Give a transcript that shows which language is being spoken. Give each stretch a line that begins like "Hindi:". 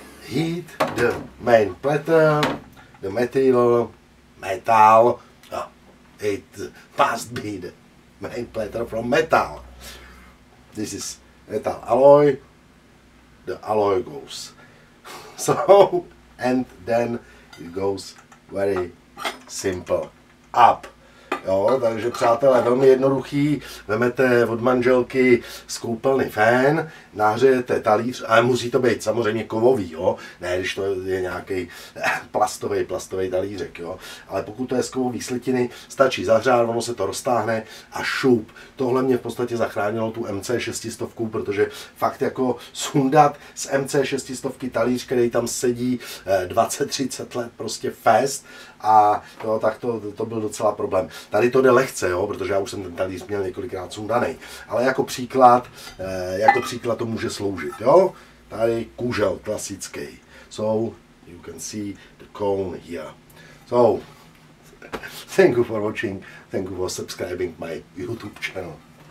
English: Heat the main platter, the metal, it must be the main platter from metal. This is metal alloy, the alloy goes. So, and then it goes very simple up.
Czech: Jo, takže přátelé, velmi jednoduchý, vemete od manželky skoupelný fén, nahřejete talíř, ale musí to být samozřejmě kovový, jo? Ne, když to je nějaký plastový talířek, jo? Ale pokud to je z kovový slitiny, stačí zahřát, ono se to roztáhne a šup. Tohle mě v podstatě zachránilo tu MC600, protože fakt jako sundat z MC600 talíř, který tam sedí 20-30 let, prostě fest, a jo, tak to byl docela problém. Tady to jde lehce, jo, protože já už jsem ten talíř měl několikrát sundaný. Ale jako příklad to může sloužit, jo. Tady kůžel klasický.
English: So, you can see the cone here. So, thank you for watching, thank you for subscribing my YouTube channel.